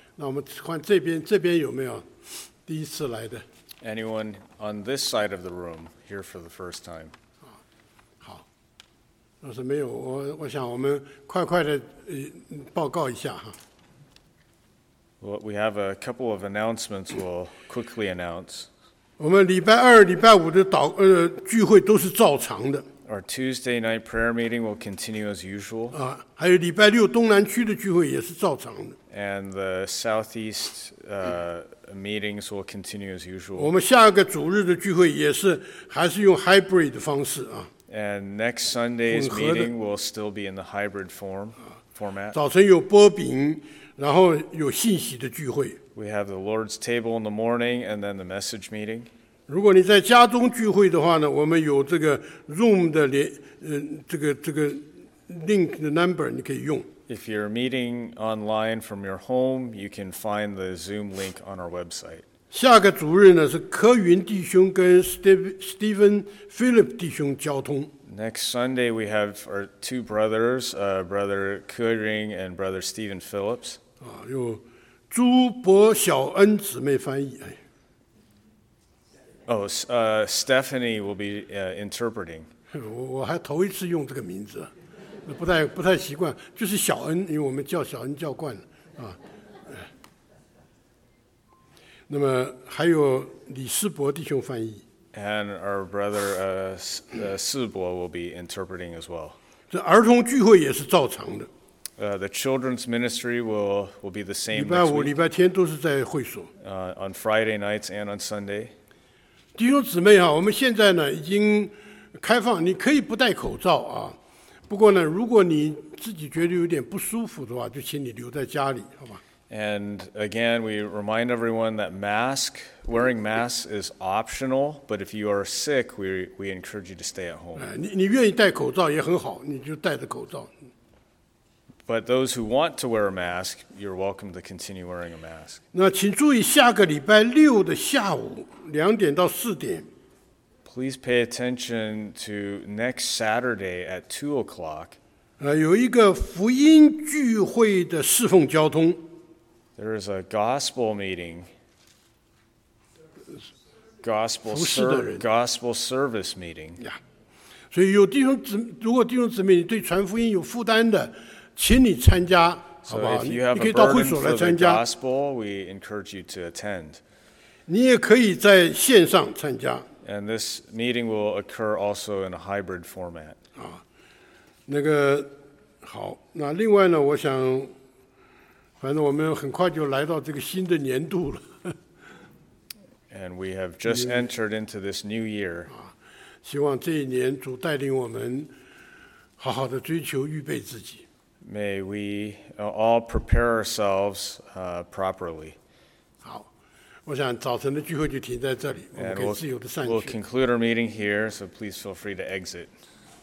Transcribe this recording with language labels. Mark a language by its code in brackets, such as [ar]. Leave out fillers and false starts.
[zh] 那我们看这边，这边有没有第一次来的 [en] ？Anyone on this side of the room here for the first time? [zh] 好。要是没有，我想我们快快的报告一下哈。 [en] Well, we have a couple of announcements we'll quickly announce. [zh] 我们礼拜二、礼拜五的聚会都是照常的。 [en] Our Tuesday night prayer meeting will continue as usual. [zh] 还有礼拜六东南区的聚会也是照常的。 [en] And the Southeast meetings will continue as usual. [zh] 我们下个主日的聚会也是还是用 hybrid 的方式啊。 [en] And next Sunday's meeting will still be in the hybrid format. [zh] 早晨有波饼。然后有信息的聚会。 [en] We have the Lord's table in the morning and then the message meeting. [zh] 如果你在家中聚会的话呢，我们有这个 room 的这个 link 的 number 你可以用。 [en] If you're meeting online from your home, you can find the Zoom link on our website. [zh] 下个主日呢是柯云弟兄跟 Stephen Philip 弟兄交通。 [en] Next Sunday, we have our two brothers, Brother Ke Ring and Brother Stephen Phillips. [zh] 有朱伯小恩姊妹翻译。 [en] Stephanie will be interpreting. [zh] 我还头一次用这个名字，不太习惯，就是小恩，因为我们叫小恩叫惯了。那么还有李世伯弟兄翻译。 [en] And our brother Sibo will be interpreting as well. [zh] 这儿童聚会也是照常的。 [en] The children's ministry will be the same. [zh] 礼拜五、礼拜天都是在会所。 [en] On Friday nights and on Sunday. [zh] 弟兄姊妹啊，我们现在呢已经开放，你可以不戴口罩啊。不过呢，如果你自己觉得有点不舒服的话，就请你留在家里，好吧？ [en] And again, we remind everyone that wearing masks is optional, but if you are sick, we encourage you to stay at home. [zh] 你愿意戴口罩也很好，你就戴着口罩。 [en] But those who want to wear a mask, you're welcome to continue wearing a mask. [zh] 那请注意下个礼拜六的下午两点到四点。 [en] Please pay attention to next Saturday at 2 o'clock. [zh] 有一个福音聚会的侍奉交通。 [en] There is a gospel meeting, gospel service meeting. Yeah. [zh] 所以有弟兄姊，如果弟兄姊妹你对传福音有负担的，请你参加，好不好？ [en] So if you have [zh] 你可以到会所来参加。 [en] For the gospel, we encourage you to attend. [zh] 你也可以在线上参加。 [en] And this meeting will occur also in a hybrid format. [zh] 啊，那个好，那另外呢，我想。反正我们很快就来到这个新的年度了。 [en] And we have just entered into this new year. [zh] 希望这一年主带领我们好好的追求预备自己。 [en] May we all prepare ourselves properly. [zh] 好，我想早晨的聚会就停在这里，我们可以自由的散去。 [en] We'll conclude our meeting here, so please feel free to exit.